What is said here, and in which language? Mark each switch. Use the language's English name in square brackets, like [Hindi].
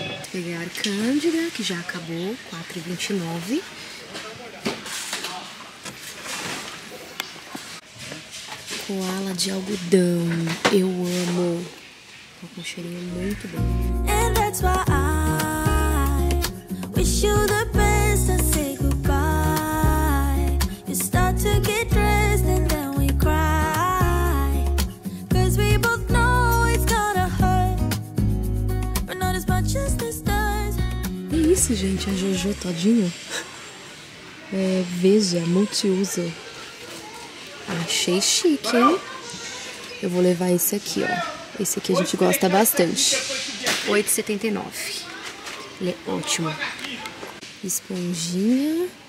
[Portuguese] Peguei a Arcândida, que já acabou, R$4,29. Coala de algodão, eu amo. Tá com um cheirinho muito bom. [English] And that's why I wish you the best and say goodbye. You start to get dressed and then we cry. Cause we both know it's gonna hurt. But not as much as this does. [Portuguese] É isso, gente, a Jojo todinha. É, veja, multiuso. Achei chique, hein? Eu vou levar esse aqui, ó. Esse aqui a gente gosta bastante. R$8,79. Ele é ótimo. Esponjinha.